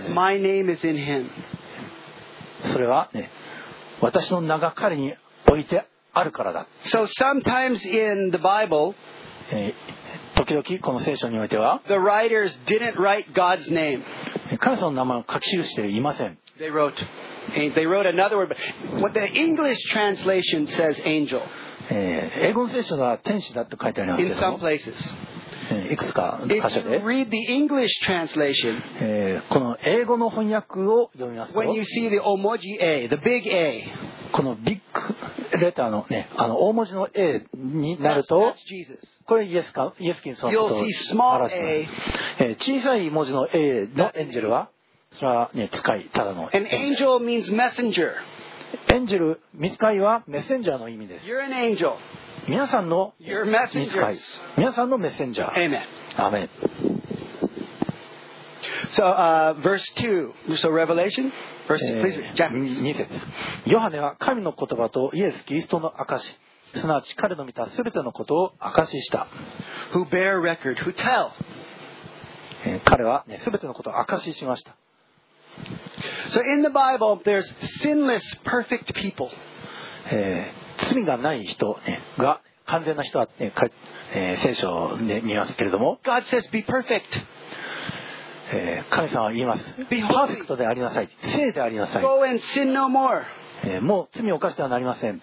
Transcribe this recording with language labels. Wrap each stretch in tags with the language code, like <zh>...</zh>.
<ja>です。それは、ね、私の名が彼に置いてあるからだ。</ja> <en>So sometimes in the Bible,</en> <ja>時々この聖書においては</ja> <en>the writers didn't write God's name.</en> <ja>神様の名前を書き記していません。</ja> <en>they wrote another word, but what the English translation says angel.</en> <ja>英語の聖書では天使だと書いてありますけども、いくつか箇所で</ja> <en>read the English translation,、</en> <ja>この英語の翻訳を読みますと</ja> <en>when you see the 大文字 A, the big A,</en> <ja>このビッグレターの、ね、あの大文字の A になると</ja> <en>that's Jesus.</en> <ja>これイエスか、イエスキリストのことを表す。</ja> <en>You'll see small A,、</en> <ja>小さい文字の A のエンジェルはそれは、ね、使いただの</ja> <en>An angel means messenger</en> <ja>エンジェル、ミスカイはメッセンジャーの意味です。</ja> <en>You're an angel.</en> <ja>皆さんのミスカイ、皆さんのメッセンジャー。</ja> <en>Amen. Amen. So, verse 2. So, Revelation? Verse 2, please.</en> <ja>2節。ヨハネは神の言葉とイエス・キリストの証、すなわち彼の見たすべてのことを証しした。</ja> <en>Who bear record, who tell.</en> <ja>彼はすべてのことを証ししました。</ja> <en>So in the Bible, there's sinless, perfect people.</en> <ja>罪がない人が完全な人は、聖書で見ますけれども、</ja> <en>God says, be perfect.</en> <ja>神様は言います。</ja> <en>Be perfect.</en> <ja>パーフェクトでありなさい。聖でありなさい。</ja> <en>Go and sin no more.</en> <ja>もう罪を犯してはなりません。</ja>